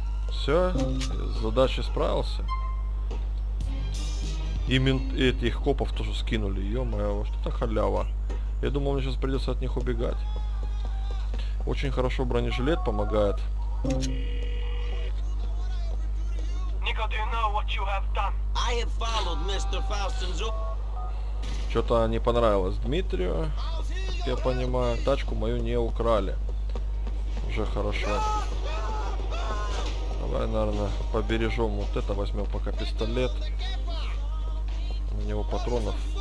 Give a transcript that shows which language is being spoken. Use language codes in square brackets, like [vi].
[ru] Все, с задачей справился. И этих копов тоже скинули. Ё-моё, что это халява? Я думал, мне сейчас придется от них убегать. Очень хорошо бронежилет помогает. [en] Nico, do you know what you have done? I have followed Mr. Faustin's... [ru] Что-то не понравилось Дмитрию, как я понимаю. Тачку мою не украли. Уже хорошо. Давай, наверное, побережем вот это, возьмем пока пистолет. У него патронов.